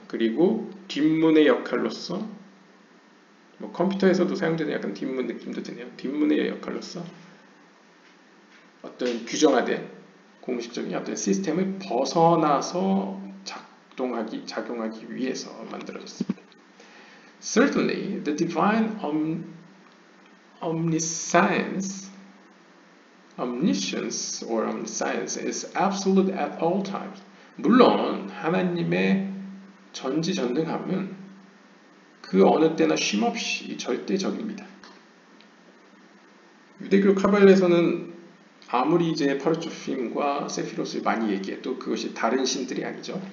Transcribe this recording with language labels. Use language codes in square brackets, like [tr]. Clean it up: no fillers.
[ko] 그리고 뒷문의 역할로서 뭐 컴퓨터에서도 사용되는 약간 뒷문 느낌도 드네요. 뒷문의 역할로서 어떤 규정화된 공식적인 어떤 시스템을 벗어나서 작용하기 위해서 만들어졌습니다. [en] Certainly, the divine omniscience is absolute at all times. [ko] 물론 하나님의 전지전능함은 그 어느 때나 쉼없이 절대적입니다. 유대교 카발레에서는 아무리 이제 파르투핌과 세피로스를 많이 얘기해도 그것이 다른 신들이 아니죠.